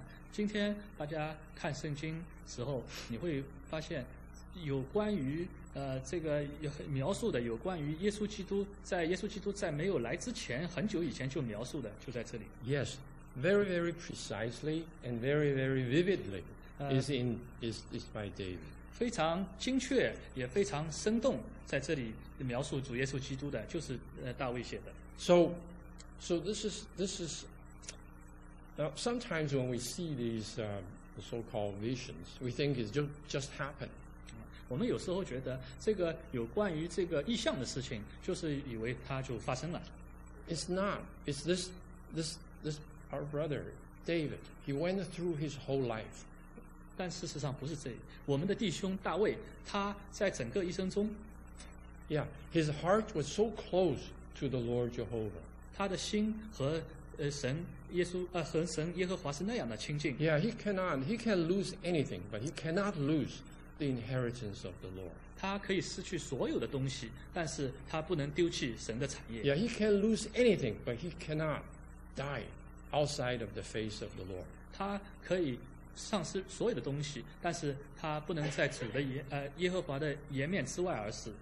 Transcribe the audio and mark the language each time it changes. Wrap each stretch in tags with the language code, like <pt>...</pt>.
<zh>今天大家看圣经时候，你会发现有关于这个有描述的，有关于耶稣基督在没有来之前，很久以前就描述的，就在这里。</zh> <en>Yes, very very precisely and very very vividly is by David.</en> <zh>非常精确也非常生动，在这里描述主耶稣基督的，就是大卫写的。</zh> <en>So this is now sometimes when we see these so-called visions, we think it just happened.</en> <zh>我们有时候觉得这个有关于这个异象的事情，就是以为它就发生了。</zh> <en>It's not. It's this our brother David. He went through his whole life.</en> <zh>但事实上不是这样。我们的弟兄大卫，他在整个一生中</zh> <en>，Yeah, his heart was so close to the Lord Jehovah.</en> <zh>他的心和神耶稣和神耶和华是那样的亲近。</zh> <en>Yeah, he can lose anything, but he cannot lose. The inheritance of the Lord.</en> <zh>他可以失去所有的东西，但是他不能丢弃神的产业。</zh> <en>Yeah, he can lose anything, but he cannot die outside of the face of the Lord.</en> <zh>他可以丧失所有的东西，但是他不能在主的耶和华的颜面之外而死。</zh>